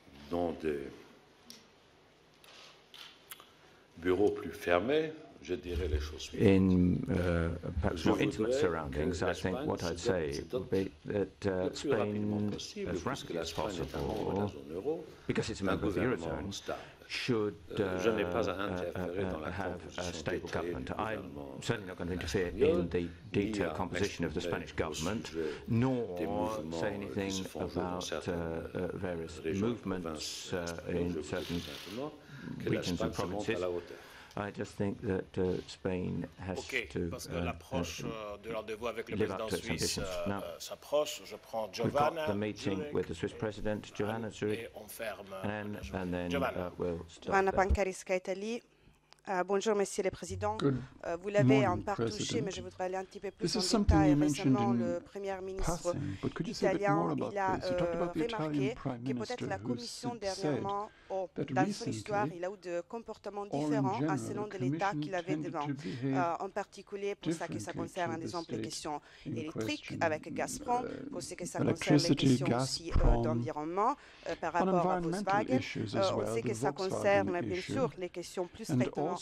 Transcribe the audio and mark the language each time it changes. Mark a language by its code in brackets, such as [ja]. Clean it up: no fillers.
[fr] Dans des bureaux plus fermés, je dirais les choses suivantes. [en] In perhaps more intimate surroundings, I think what I'd say would be that Spain, as rapidly as possible, because it's a member of the Eurozone, should have a stable government. I'm certainly not going to interfere in the detailed composition of the Spanish government, nor say anything about various movements in certain regions and provinces. I just think that Spain has to live up to its ambitions. Now, we've got the meeting with the Swiss president, Giovanna Zurich, and then we'll start. [fr] Giovanna Pancariska, Italy. Bonjour, Monsieur le Président. Vous l'avez en part touché, mais je voudrais aller un petit peu plus en détail. Récemment, le Premier ministre italien a remarqué que peut-être la Commission dernièrement, dans son histoire, il a eu des comportements différents à selon de l'État qu'il avait devant, en particulier pour ce qui concerne, par exemple, les questions électriques avec Gazprom, pour ce qui concerne les questions aussi d'environnement par rapport à Volkswagen, pour ce qui concerne, bien sûr, les questions plus récentes.